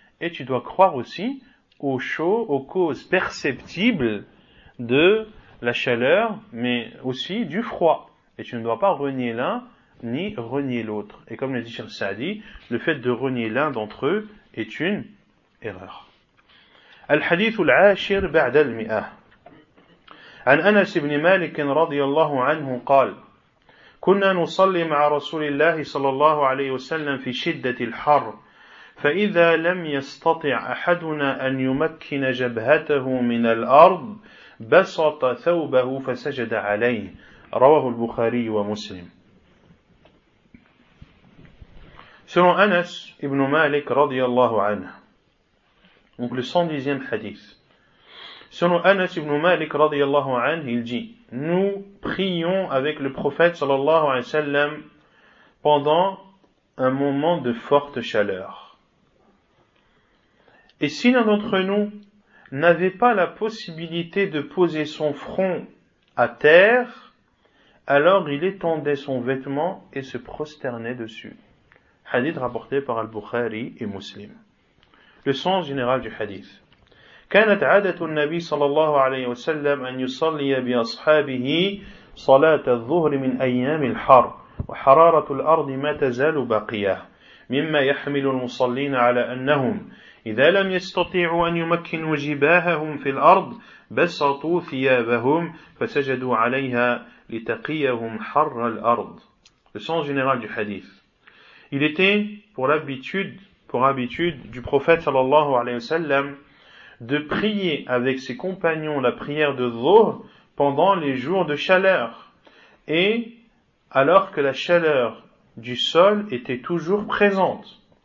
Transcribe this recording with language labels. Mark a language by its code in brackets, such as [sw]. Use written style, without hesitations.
[fr] Et tu dois croire aussi aux choses, aux causes perceptibles de la chaleur, mais aussi du froid. Et tu ne dois pas renier l'un ni renier l'autre. Et comme le dit Cheikh Saadi, le fait de renier l'un d'entre eux est une erreur. [ar] الحديث العاشر بعد المئة عن أنس بن مالك رضي الله عنه قال كنا نصلي مع رسول الله صلى الله عليه وسلم في شدة الحر فإذا لم يستطع أحدنا أن يمكن جبهته من الأرض بسط ثوبه فسجد عليه رواه البخاري ومسلم. [fr] Selon أنس بن مالك [ar] رضي الله عنه, [fr] donc le 110e hadith. Selon Anas ibn Malik [ar] radiyallahu anhu, [fr] il dit: nous prions avec le prophète [ar] sallallahu alayhi wa sallam [fr] pendant un moment de forte chaleur. Et si l'un d'entre nous n'avait pas la possibilité de poser son front à terre, alors il étendait son vêtement et se prosternait dessus. Hadith rapporté par Al-Bukhari et Muslim. Le sens général du hadith. [ar] كانت عادة النبي صلى الله عليه وسلم أن يصلي بأصحابه صلاة الظهر من أيام الحر وحرارة الأرض ما تزال باقية مما يحمل المصلين على أنهم إذا لم يستطيعوا أن يمكنوا جباههم في الأرض بسطوا ثيابهم فسجدوا عليها لتقيهم حر الأرض. [fr] Le sens général du hadith. Il était pour habitude du prophète [ar] sallallahu alayhi wa sallam [fr] de prier avec ses compagnons la prière de Dhuhr pendant les jours de chaleur, et alors que la chaleur du sol était toujours présente,